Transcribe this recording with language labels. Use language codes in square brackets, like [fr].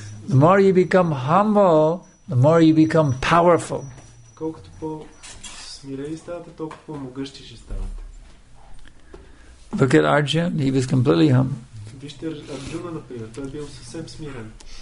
[en] The more you become humble, the more you become powerful. [bg] Колкото по смирени ставате, толкова по могъщи ще ставате. [en] Look at Arjun, he was completely humble. [bg] Вижте Арджуна, например, той бил съвсем смирен.